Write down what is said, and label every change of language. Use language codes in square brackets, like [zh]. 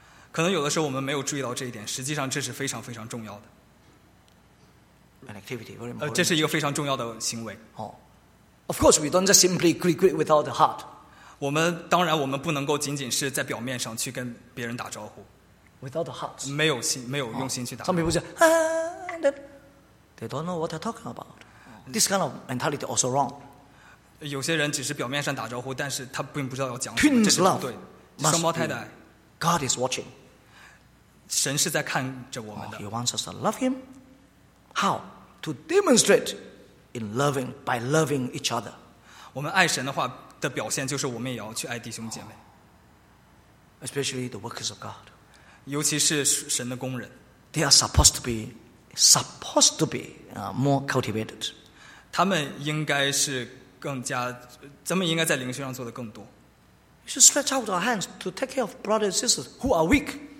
[zh] 可能有的时候我们没有注意到这一点，实际上这是非常非常重要的。 [en] An activity very important. [zh] 这是一个非常重要的行为。 [en] Of course, we don't just simply greet without the heart. [zh] 我们当然我们不能够仅仅是在表面上去跟别人打招呼。 [en] Without the heart. [zh] 没有用心去打招呼。 [en] Some people say, They don't know what they're talking about. This kind of mentality also wrong. [zh] 有些人只是表面上打招呼，但是他并不知道要讲什么。 [en] Twins love, [zh] 对，双胞胎的爱。 [en] God is watching. [zh] 神是在看着我们的。 [en] He wants us to love Him. How? To demonstrate in loving by loving each other. [zh] 我们爱神的话的表现就是我们也要去爱弟兄姐妹。 [en] Especially the workers of God. [zh] 尤其是神的工人。 [en] They are supposed to be. Supposed to be more cultivated. [zh] 他们应该是更加，咱们应该在灵修上做的更多。 [en] You should stretch out our hands to take care of brothers and sisters who are weak.